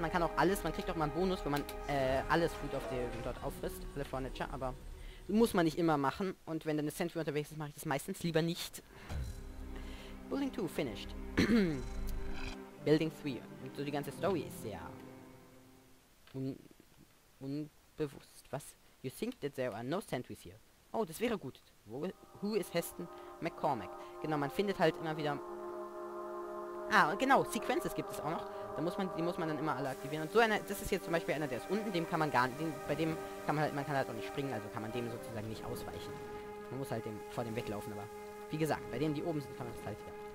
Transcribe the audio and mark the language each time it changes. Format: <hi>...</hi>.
<de>Man kann auch alles, man kriegt auch mal einen Bonus, wenn man alles Food auf dem dort auffrisst, alle Furniture, aber muss man nicht immer machen. Und wenn dann eine Sentry unterwegs ist, mache ich das meistens lieber nicht.</de> <en>Building 2 finished. Building 3.</en> <de>Und so die ganze Story ist sehr unbewusst. Was?</de> <en>You think that there are no sentries here?</en> <de>Oh, das wäre gut.</de> <en>Who is Heston McCormack?</en> <de>Genau, man findet halt immer wieder... Ah, genau, Sequences gibt es auch noch. Da muss man, die muss man dann immer alle aktivieren. Und so einer, das ist jetzt zum Beispiel einer, der ist unten, dem kann man gar nicht, bei dem kann man halt, auch nicht springen, also kann man dem sozusagen nicht ausweichen. Man muss halt dem vor dem weglaufen, aber wie gesagt, bei denen, die oben sind, kann man das halt hier.</de>